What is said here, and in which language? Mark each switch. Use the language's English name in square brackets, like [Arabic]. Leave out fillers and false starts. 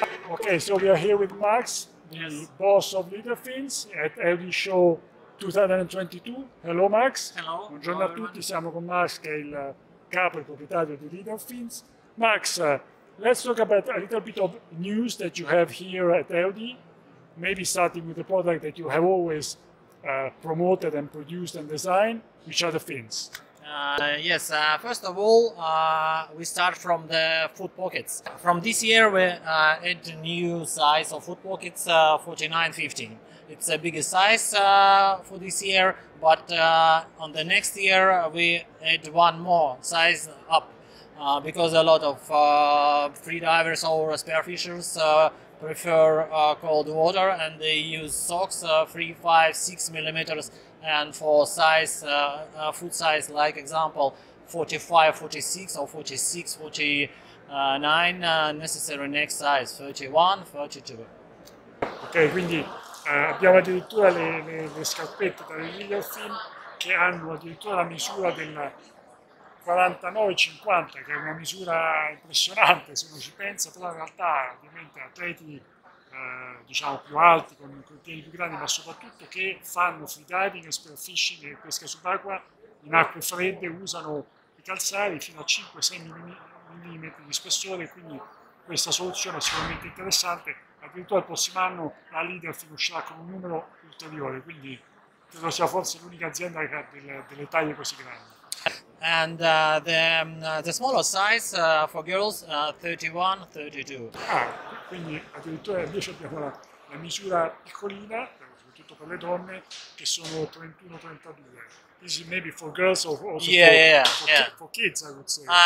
[English] Okay, so we are here with Max, the boss of Leaderfins at Eudi Show 2022. Hello, Max. Hello. [Italian] Buongiorno a tutti. Siamo con Max, che è il capo e proprietario di Leaderfins. [English] Max, let's talk about a little bit of news that you have here at Eudi. Maybe starting with the product that you have always promoted and produced and designed, which are the fins. Yes, first of all, we start from the foot pockets. From this year, we add a new size of foot pockets, 49-15. It's the biggest size for this year, but on the next year, we add one more size up because a lot of free divers or spearfishers prefer cold water, and they use socks 3, 5, 6 millimeters, and for size foot size, like example 45 46 or 46 49, necessary next size 31 32. [Italian] Okay, quindi abbiamo addirittura le scarpette dalle Leaderfins che hanno addirittura la misura del 49-50, che è una misura impressionante se uno ci pensa, però in realtà ovviamente atleti diciamo più alti, con contenuti più grandi, ma soprattutto che fanno free diving, spearfishing e pesca subacquea in acque fredde, usano i calzari fino a 5-6 mm di spessore, quindi questa soluzione è sicuramente interessante. Addirittura il prossimo anno la Leaderfins uscirà con un numero ulteriore, quindi credo sia forse l'unica azienda che ha delle taglie così grandi. [English] And the smaller size for girls, 31-32. [Italian] Ah, quindi addirittura invece abbiamo la misura piccolina, soprattutto per le donne, che sono 31-32. [English] This is maybe for girls or also for kids, I would say.